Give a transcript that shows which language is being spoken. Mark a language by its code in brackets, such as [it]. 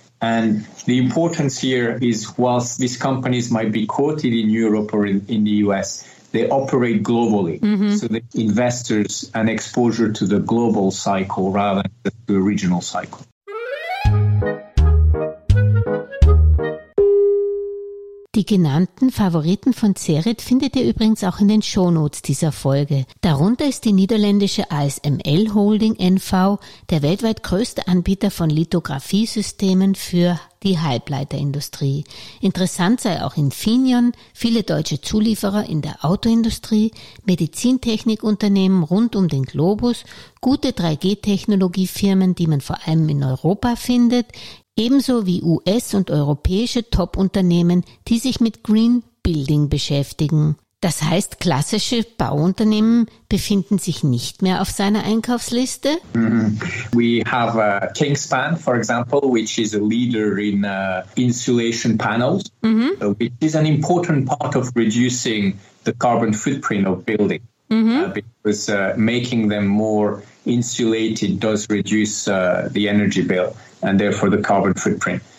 [en] And the importance here is whilst these companies might be quoted in Europe or in the US, they operate globally. So the investors and exposure to the global cycle rather than just the regional cycle. [de] Die genannten Favoriten von Cerid findet ihr übrigens auch in den Shownotes dieser Folge. Darunter ist die niederländische ASML Holding NV, der weltweit größte Anbieter von Lithografiesystemen für die Halbleiterindustrie. Interessant sei auch Infineon, viele deutsche Zulieferer in der Autoindustrie, Medizintechnikunternehmen rund um den Globus, gute 3G-Technologiefirmen, die man vor allem in Europa findet, ebenso wie US- und europäische Top-Unternehmen, die sich mit Green Building beschäftigen. Das heißt, klassische Bauunternehmen befinden sich nicht mehr auf seiner Einkaufsliste? [en] We have Kingspan, for example, which is a leader in insulation panels, which is an important part of reducing the carbon footprint of building. Because making them more insulated does reduce the energy bill and therefore the carbon footprint.